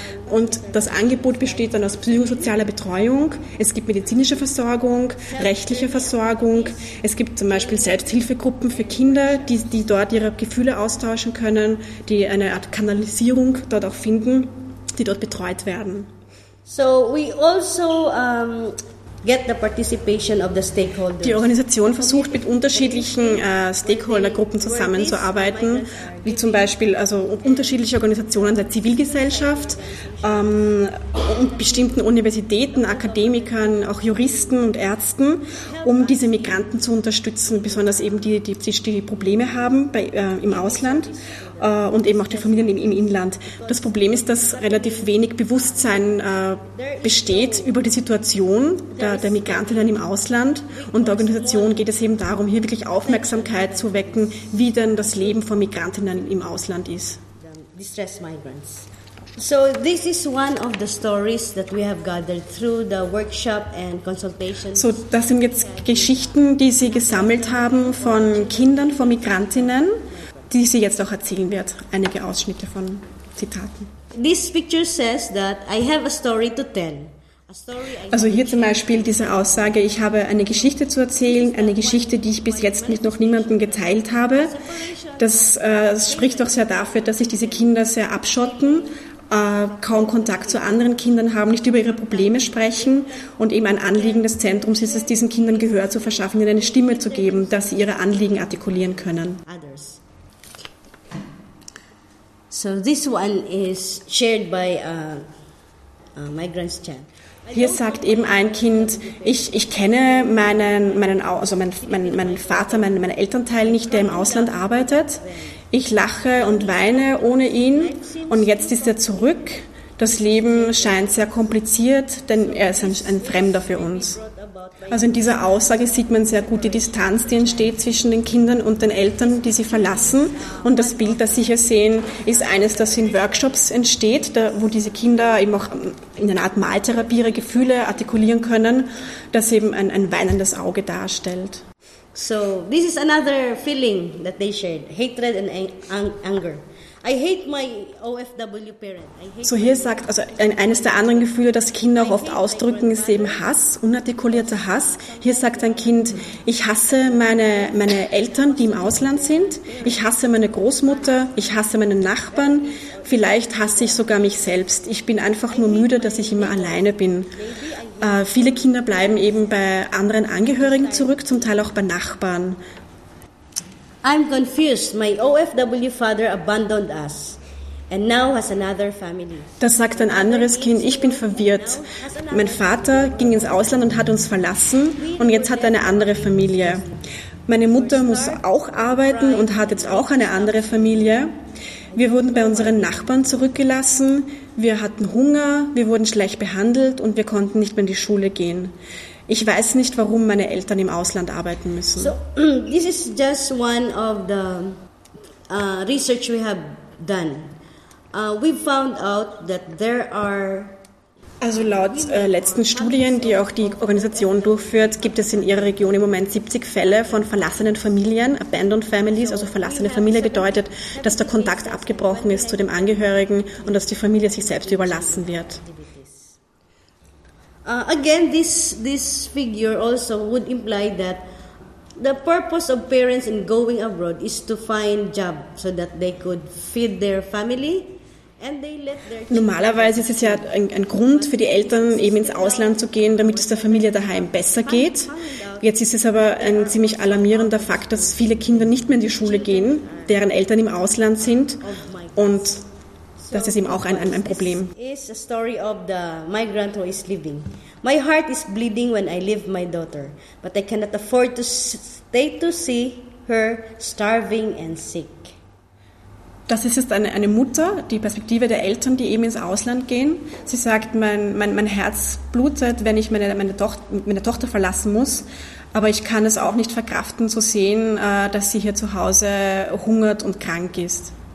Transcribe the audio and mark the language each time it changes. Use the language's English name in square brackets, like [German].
[German] Und das Angebot besteht dann aus psychosozialer Betreuung. Es gibt medizinische Versorgung, rechtliche Versorgung. Es gibt zum Beispiel Selbsthilfegruppen für Kinder, die dort ihre Gefühle austauschen können, die eine Art Kanalisierung dort auch finden, die dort betreut werden. [English] So we also get the participation of the stakeholders. [German] Die Organisation versucht, mit unterschiedlichen Stakeholdergruppen zusammenzuarbeiten, wie zum Beispiel also unterschiedliche Organisationen der Zivilgesellschaft, und bestimmten Universitäten, Akademikern, auch Juristen und Ärzten, um diese Migranten zu unterstützen, besonders eben die Probleme haben im Ausland. Und eben auch die Familien im Inland. Das Problem ist, dass relativ wenig Bewusstsein besteht über die Situation der Migrantinnen im Ausland. Und der Organisation geht es eben darum, hier wirklich Aufmerksamkeit zu wecken, wie denn das Leben von Migrantinnen im Ausland ist. [English] Distressed migrants. So this is one of the stories that we have gathered through the workshop and consultations. [German] So das sind jetzt Geschichten, die Sie gesammelt haben von Kindern von Migrantinnen, die sie jetzt auch erzählen wird, einige Ausschnitte von Zitaten. [English] This picture says that I have a story to tell. [German] Also hier zum Beispiel diese Aussage, ich habe eine Geschichte zu erzählen, eine Geschichte, die ich bis jetzt mit noch niemandem geteilt habe. Das spricht doch sehr dafür, dass sich diese Kinder sehr abschotten, kaum Kontakt zu anderen Kindern haben, nicht über ihre Probleme sprechen. Und eben ein Anliegen des Zentrums ist es, diesen Kindern Gehör zu verschaffen, ihnen eine Stimme zu geben, dass sie ihre Anliegen artikulieren können. [English] So this one is shared by my grandchild. [German] Hier sagt eben ein Kind, ich kenne meinen Vater, meinen Elternteil nicht, der im Ausland arbeitet. Ich lache und weine ohne ihn und jetzt ist er zurück. Das Leben scheint sehr kompliziert, denn er ist ein Fremder für uns. Also in dieser Aussage sieht man sehr gut die Distanz, die entsteht zwischen den Kindern und den Eltern, die sie verlassen. Und das Bild, das Sie hier sehen, ist eines, das in Workshops entsteht, wo diese Kinder eben auch in einer Art Maltherapie ihre Gefühle artikulieren können, das eben ein weinendes Auge darstellt. [English] So, this is another feeling that they shared, hatred and anger. I hate my OFW parent. [German] So hier sagt, also eines der anderen Gefühle, das Kinder auch oft ausdrücken, ist eben Hass, unartikulierter Hass. Hier sagt ein Kind, ich hasse meine Eltern, die im Ausland sind. Ich hasse meine Großmutter, ich hasse meinen Nachbarn. Vielleicht hasse ich sogar mich selbst. Ich bin einfach nur müde, dass ich immer alleine bin. Viele Kinder bleiben eben bei anderen Angehörigen zurück, zum Teil auch bei Nachbarn. [English] I'm confused. My OFW father abandoned us and now has another family. [German] Das sagt ein anderes Kind. Ich bin verwirrt. Mein Vater ging ins Ausland und hat uns verlassen und jetzt hat er eine andere Familie. Meine Mutter muss auch arbeiten und hat jetzt auch eine andere Familie. Wir wurden bei unseren Nachbarn zurückgelassen. Wir hatten Hunger, wir wurden schlecht behandelt und wir konnten nicht mehr in die Schule gehen. Ich weiß nicht, warum meine Eltern im Ausland arbeiten müssen. [English] So, this is just one of the research we have done. We found out that there are. [German] Also laut letzten Studien, die auch die Organisation durchführt, gibt es in ihrer Region im Moment 70 Fälle von verlassenen Familien, [English] abandoned families, [German] also verlassene Familie gedeutet, dass der Kontakt abgebrochen ist zu dem Angehörigen und dass die Familie sich selbst überlassen wird. [English] Again, this figure also would imply that the purpose of parents in going abroad is to find job so that they could feed their family. [German] Normalerweise ist es ja ein Grund für die Eltern, eben ins Ausland zu gehen, damit es der Familie daheim besser geht. Jetzt ist es aber ein ziemlich alarmierender Fakt, dass viele Kinder nicht mehr in die Schule gehen, deren Eltern im Ausland sind. Und das ist eben auch ein Problem. [English] This is a story of the migrant who is leaving. My heart is bleeding when I leave my daughter, but I cannot afford to stay to see her starving and sick. [German] Das ist jetzt eine Mutter, die Perspektive der Eltern, die eben ins Ausland gehen. Sie sagt, mein Herz blutet, wenn ich meine Tochter verlassen muss. Aber ich kann es auch nicht verkraften, zu sehen, dass sie hier zu Hause hungert und krank ist.